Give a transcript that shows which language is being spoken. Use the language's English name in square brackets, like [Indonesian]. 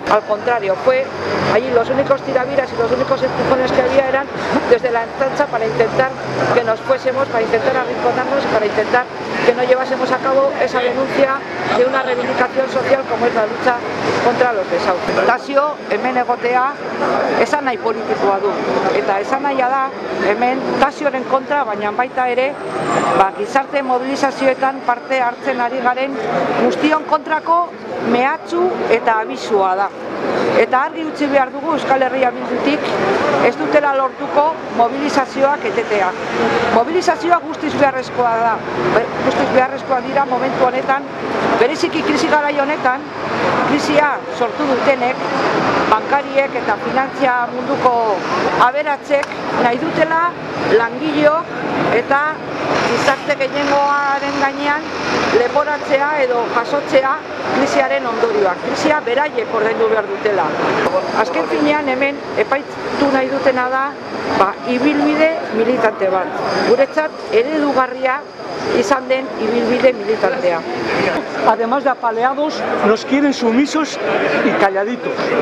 [Spanish] Al contrario, fue allí los únicos tiraviras y los únicos empujones que había eran desde la Ertzaintza para intentar que nos fuésemos, para intentar arrinconarnos y para intentar que no llevásemos a cabo esa denuncia de una reivindicación social como es la lucha contra los desahucios. [Basque] Casio, hemen egotea, esan nahi politikoa du. Eta esan nahia da, hemen Casioren kontra, baina baita ere, gizarte mobilizazioetan parte hartzen ari garen guztion kontrako mehatxu eta abisua da. Eta argi utzi behar dugu Euskal Herria Bildutik ez dutela lortuko mobilizazioak etetea. Mobilizazioa guztiz beharrezkoa da, guztiz beharrezkoa dira momentu honetan, bereziki krisi garai honetan, krisia sortu dutenek, bankariek eta finantzia munduko aberatzek nahi dutela langileok eta gizarte gehiengoaren gainean leporatzea edo jasotzea krisiaren ondorioak, krisia beraiek ordaindu behar dutela. Azken finean hemen epaitu nahi dutena da ibilbide militante bat. Guretzat eredugarria izan den ibilbide militantea. [Spanish] Además de apaleados, nos quieren sumisos y calladitos.